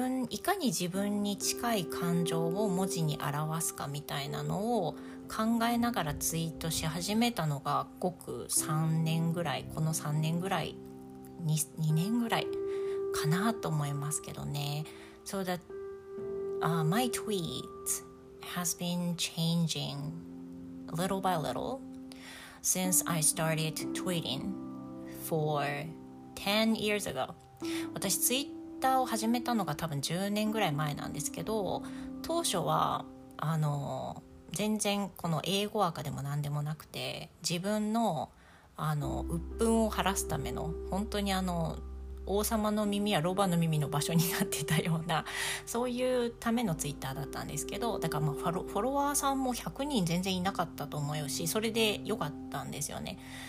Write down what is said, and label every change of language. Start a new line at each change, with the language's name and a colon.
Japanese: いかに自分に近い感情を文字に表すかみたいなのを考えながらツイートし始めたのがごく2年ぐらいかなと思いますけどね。
English: So that my tweet has been changing little by little since I started tweeting for 10 years ago.
Japanese: 私ツイッターを始めたのが多分10年ぐらい前なんですけど、当初は全然この英語枠でも何でもなくて、自分の鬱憤を晴らすための本当に王様の耳やロバの耳の場所になってたような、そういうためのツイッターだったんですけど、だからフォロワーさんも100人全然いなかったと思うし、それで良かったんですよね。